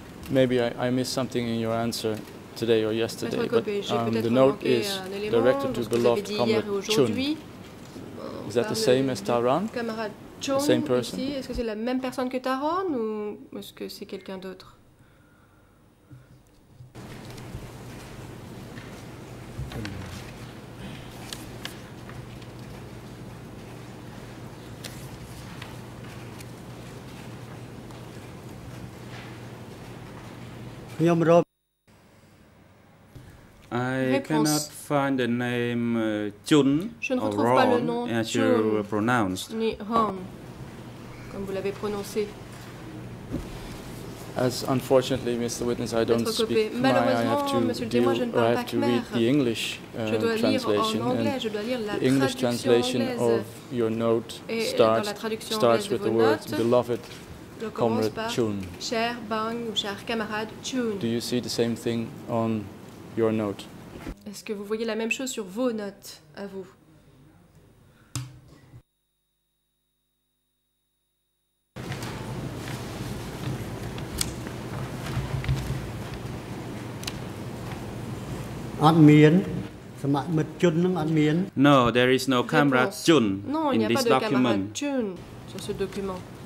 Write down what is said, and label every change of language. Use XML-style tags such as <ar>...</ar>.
<en>Maybe I missed something in your answer today or yesterday, but the note is directed to beloved comrade Chun. Is that the same as Taran? The same person?</en> <fr>Est-ce que c'est la même personne que Taran ou est-ce que c'est quelqu'un d'autre?</fr> <en>I cannot find the name Chun or Ron as you pronounced.</en> <fr>Ni Ron, comme vous l'avez prononcé.</fr> <en>As unfortunately, Mr. Witness, I don't speak Khmer. I have to deal, or I have to read the English translation. And the English translation of your note starts with the word beloved. Comrade Chun.</en> <fr>Cher Bang ou cher camarade Chun.</fr> <en>Do you see the same thing on your note?</en> <fr>Est-ce que vous voyez la même chose sur vos notes, à vous? Admien. Samat Chun nung admien.</fr> <en>No, there is no camarade Chun in this document.</en> <fr>Non, il n'y a pas de camarade Chun sur ce document.</fr>